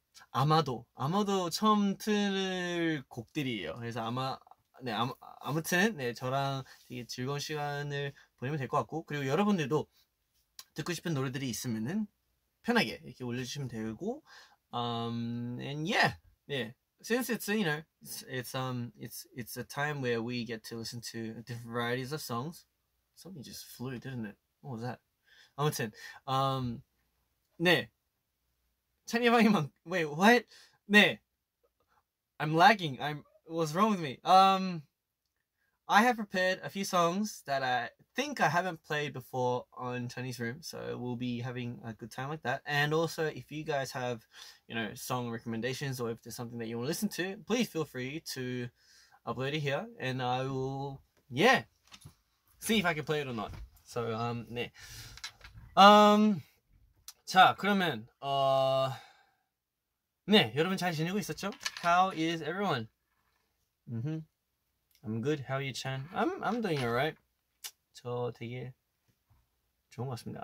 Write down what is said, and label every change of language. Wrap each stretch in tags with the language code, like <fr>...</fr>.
<ko>아마도 처음 트는 곡들이에요. 그래서 아무튼 저랑 되게 즐거운 시간을 보내면 될 것 같고, 그리고 여러분들도 듣고 싶은 노래들이 있으면은 편하게 이렇게 올려주시면 되고,</ko> <en>and yeah, yeah. Since it's you know it's a time where we get to listen to different varieties of songs. Something just flew, didn't it? What was that?</en> <ko>아무튼, 네.</ko> <en>찬예방이만 wait what? 네. I'm lagging. What's wrong with me? I have prepared a few songs that I think I haven't played before on Tony's Room, so we'll be having a good time like that. And also, if you guys have, you know, song recommendations or if there's something that you want to listen to, please feel free to upload it here and I will, yeah, see if I can play it or not. So, 네.</en> <ko>자, 그러면, 네, 여러분 잘 지내고 있었죠?</ko> <en>How is everyone? Mm-hmm. I'm good. How are you, Chan? I'm doing alright.</en> <ko>저 되게 좋은 것 같습니다.</ko>